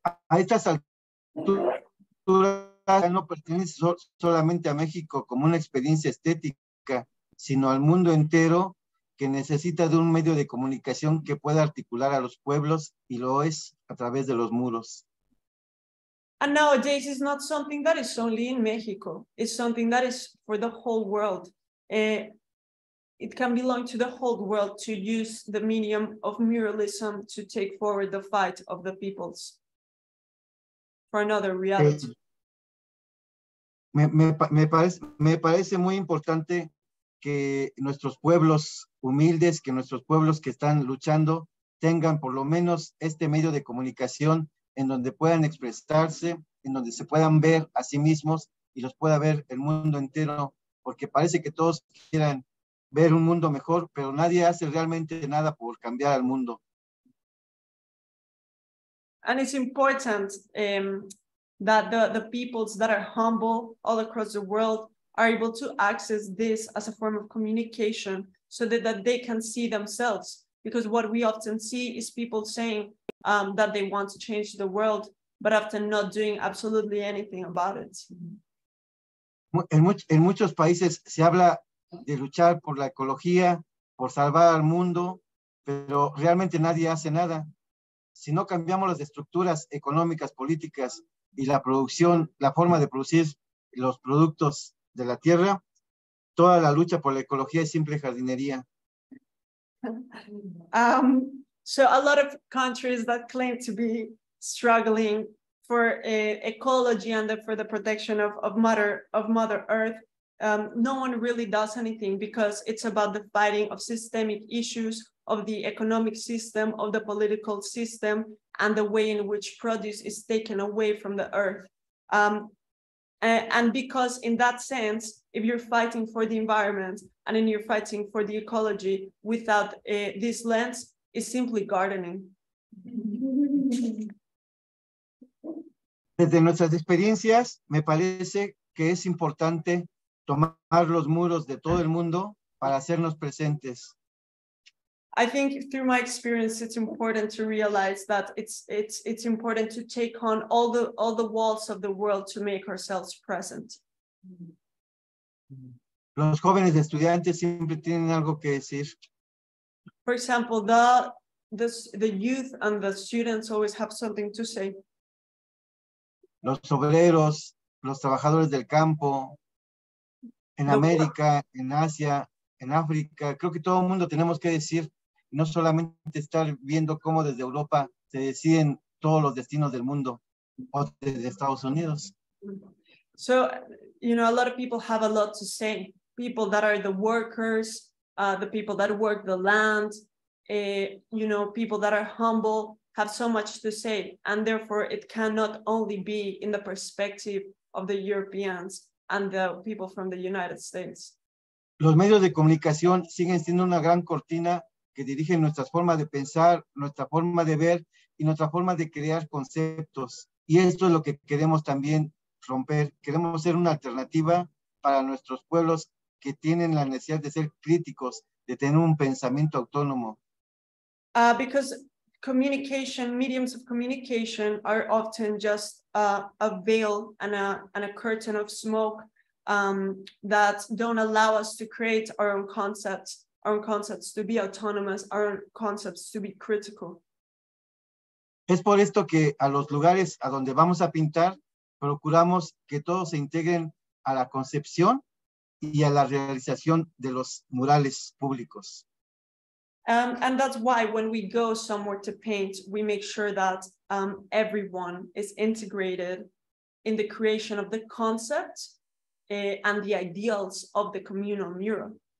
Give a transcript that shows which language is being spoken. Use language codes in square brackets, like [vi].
[es] A estas alturas no pertenece solamente a México como una experiencia estética, sino al mundo entero, que necesita de un medio de comunicación que pueda articular a los pueblos, y lo es a través de los muros. [en] And nowadays it's not something that is only in Mexico, it's something that is for the whole world. It can belong to the whole world to use the medium of muralism to take forward the fight of the peoples for another reality. [es] Me parece muy importante que nuestros pueblos humildes, que nuestros pueblos que están luchando tengan por lo menos este medio de comunicación en donde puedan expresarse, en donde se puedan ver a sí mismos y los pueda ver el mundo entero, porque parece que todos quieran ver un mundo mejor, pero nadie hace realmente nada por cambiar al mundo. [en] And it's important that the peoples that are humble all across the world are able to access this as a form of communication so that they can see themselves. Because what we often see is people saying that they want to change the world, but often not doing absolutely anything about it. [es] En muchos países se habla de luchar por la ecología, por salvar al mundo, pero realmente nadie hace nada. Si no cambiamos las estructuras económicas, políticas y la producción, la forma de producir los productos de la tierra, toda la lucha por la ecología es simple jardinería. [en] So a lot of countries that claim to be struggling for ecology and for the protection of Mother Earth, no one really does anything, because it's about the fighting of systemic issues of the economic system, of the political system, and the way in which produce is taken away from the earth. And because in that sense, if you're fighting for the environment and then you're fighting for the ecology without this lens, it's simply gardening. [es] Desde nuestras experiencias, me parece que es importante tomar los muros de todo el mundo para hacernos presentes. [en] I think through my experience, it's important to realize that it's important to take on all the walls of the world to make ourselves present. [es] Los jóvenes estudiantes siempre tienen algo que decir. [en] For example, the youth and the students always have something to say. [es] Los obreros, los trabajadores del campo, en América, en Asia, en África, creo que todo el mundo tenemos que decir, no solamente estar viendo cómo desde Europa se deciden todos los destinos del mundo o desde Estados Unidos. [en] So, you know, a lot of people have a lot to say. People that are the workers, the people that work the land, you know, people that are humble have so much to say. And therefore, it cannot only be in the perspective of the Europeans and the people from the United States. [es] Los medios de comunicación siguen siendo una gran cortina que dirige nuestras formas de pensar, nuestra forma de ver y nuestra forma de crear conceptos. Y esto es lo que queremos también romper. Queremos ser una alternativa para nuestros pueblos que tienen la necesidad de ser críticos, de tener un pensamiento autónomo. [en] Because communication, mediums of communication are often just a veil and a curtain of smoke that don't allow us to create our own concepts to be autonomous, our own concepts to be critical. [es] Es por esto que a los lugares a donde vamos a pintar, procuramos que todos se integren a la concepción y a la realización de los murales públicos. [en] And that's why when we go somewhere to paint, we make sure that everyone is integrated in the creation of the concept and the ideals of the communal mural.